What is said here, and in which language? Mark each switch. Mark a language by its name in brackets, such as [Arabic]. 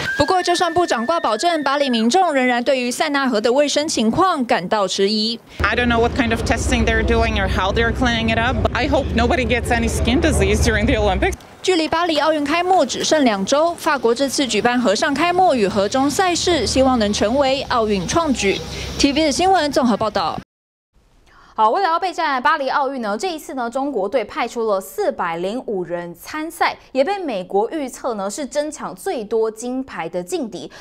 [Chinese] 不过，就算部长挂保证，巴黎民众仍然对于塞纳河的卫生情况感到迟疑。 [English] I don't know what kind of testing they're doing or how they're cleaning it up. I hope nobody gets any skin disease during the Olympics. [Chinese] 距离巴黎奥运开幕只剩2周，法国这次举办河上开幕与河中赛事，希望能成为奥运创举。 TVBS 新闻综合报道。好，为了要备战巴黎奥运呢，这一次呢，中国队派出了405人参赛，也被美国预测呢是争抢最多金牌的劲敌。